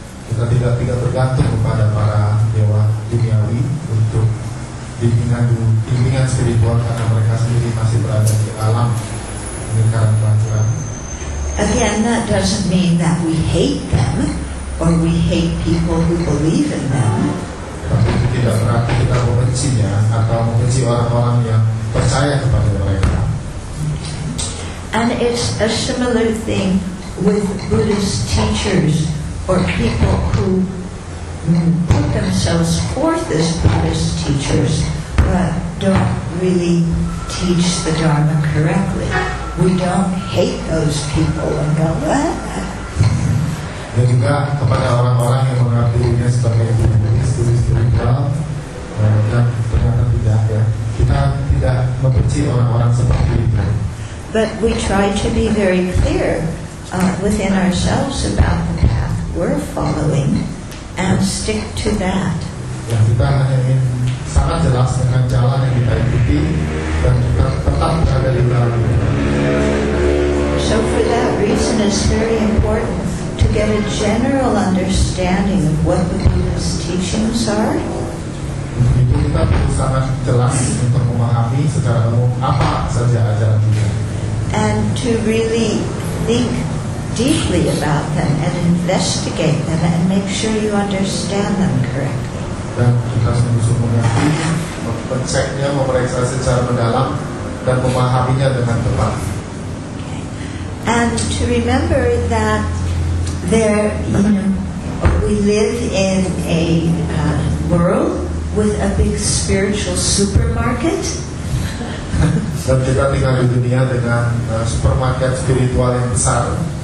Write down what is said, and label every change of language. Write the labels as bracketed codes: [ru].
[id] Kita tidak bergantung kepada para dewa duniawi untuk bimbingan spiritual, karena mereka sendiri masih berada di alam lingkaran pelajaran. [en] Again, that doesn't mean that we hate them or we hate people who believe in them. [id] Tapi itu tidak berarti kita membencinya atau membenci orang-orang yang percaya kepada mereka. [en] And it's a similar thing with Buddhist teachers or people who put themselves forth as Buddhist teachers but don't really teach the Dharma correctly. We don't hate those people and go, what? [id] Dan juga kepada orang-orang yang mengerti dirinya sebagai Buddhist spiritual, dan ternyata tidak ya, kita tidak membenci orang-orang seperti itu. [en] But we try to be very clear within ourselves about the path we're following and stick to that. [id] Ya, kita hanya ingin sangat jelas dengan jalan yang kita ikuti dan kita tetap berada di dalam itu. [en] So for that reason, it's very important to get a general understanding of what the Buddha's teachings are. [id] Itu kita perlu sangat jelas untuk memahami secara umum apa saja ajaran Buddha. [en] And to really think deeply about them and investigate them and make sure you understand them correctly. [id] Dan kita sungguh-sungguh mengerti, menceknya, memeriksa secara mendalam dan memahaminya dengan tepat. [en] And to remember that there, you know, we live in a world with a big spiritual supermarket. [id] Dan kita tinggal di dunia dengan supermarket spiritual yang besar.